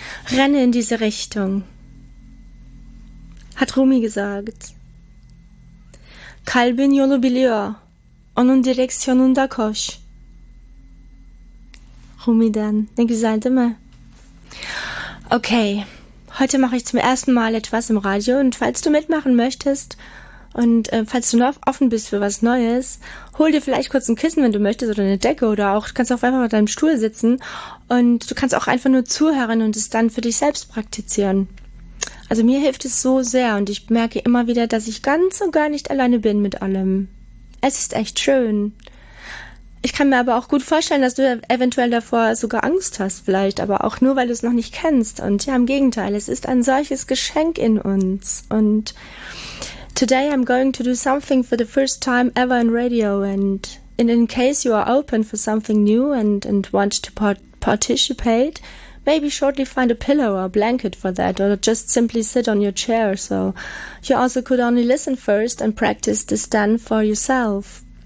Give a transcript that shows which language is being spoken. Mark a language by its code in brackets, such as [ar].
[de] Renne in diese Richtung, hat Rumi gesagt. [tr] Kalbin yolu biliyor, onun direksiyonunda koş. Rumi'den, ne güzel değil mi? [de] Okay, heute mache ich zum ersten Mal etwas im Radio und falls du mitmachen möchtest und falls du noch offen bist für was Neues, hol dir vielleicht kurz ein Kissen, wenn du möchtest, oder eine Decke, oder auch, du kannst auch einfach auf deinem Stuhl sitzen und du kannst auch einfach nur zuhören und es dann für dich selbst praktizieren. Also mir hilft es so sehr und ich merke immer wieder, dass ich ganz und gar nicht alleine bin mit allem. Es ist echt schön. Ich kann mir aber auch gut vorstellen, dass du eventuell davor sogar Angst hast, vielleicht, aber auch nur, weil du es noch nicht kennst. Und ja, im Gegenteil, es ist ein solches Geschenk in uns. Und [en] today I'm going to do something for the first time ever in radio, and in case you are open for something new and want to participate, maybe shortly find a pillow or a blanket for that, or just simply sit on your chair, so you also could only listen first and practice this then for yourself.